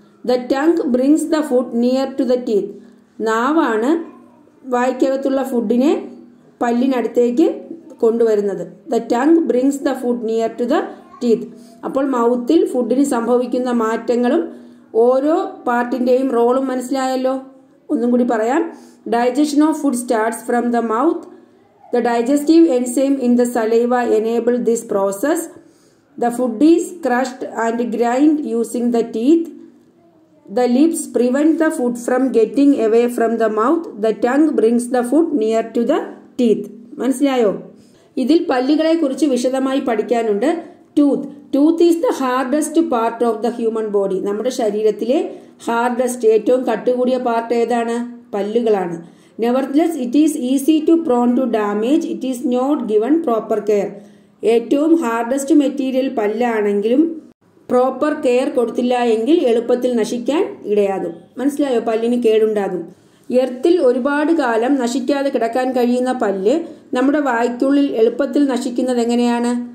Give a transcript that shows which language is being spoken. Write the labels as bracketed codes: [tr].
[en] The tongue brings the food near to the teeth. [ml] നാവാണ് വായ്ക്കകത്തുള്ള ഫുഡിനെ പല്ലിനടുത്തേക്ക് കൊണ്ടുവരുന്നത്. [en] The tongue brings the food near to the teeth. [ml] അപ്പോൾ മൗത്തിൽ ഫുഡിന് സംഭവിക്കുന്ന മാറ്റങ്ങളും ഓരോ പാർട്ടിൻ്റെയും റോളും മനസ്സിലായല്ലോ. ഒന്നും കൂടി പറയാം, [en] Digestion of food starts from the mouth. The digestive enzyme in the saliva enable this process. The food is crushed and grind using the teeth. The lips prevent the food from getting away from the mouth. The tongue brings the food near to the teeth. [ml] മനസ്സിലായോ? ഇതിൽ പല്ലുകളെ കുറിച്ച് വിശദമായി പഠിക്കാനുണ്ട്. [en] Tooth is the hardest part of the human body. [ml] നമ്മുടെ ശരീരത്തിലെ hardest, ഏറ്റവും കട്ടുകൂടിയ part ഏതാണ്? പല്ലുകളാണ്. [en] Nevertheless, it is easy to prone to damage. It is not given proper care. [ml] ഏറ്റവും ഹാർഡസ്റ്റ് മെറ്റീരിയൽ പല്ലാണെങ്കിലും പ്രോപ്പർ കെയർ കൊടുത്തില്ല എങ്കിൽ എളുപ്പത്തിൽ നശിക്കാൻ ഇടയാകും. മനസ്സിലായോ? പല്ലിന് കേടുണ്ടാകും. എർത്തിൽ ഒരുപാട് കാലം നശിക്കാതെ കിടക്കാൻ കഴിയുന്ന പല്ല് നമ്മുടെ വായ്ക്കുള്ളിൽ എളുപ്പത്തിൽ നശിക്കുന്നത് എങ്ങനെയാണ്?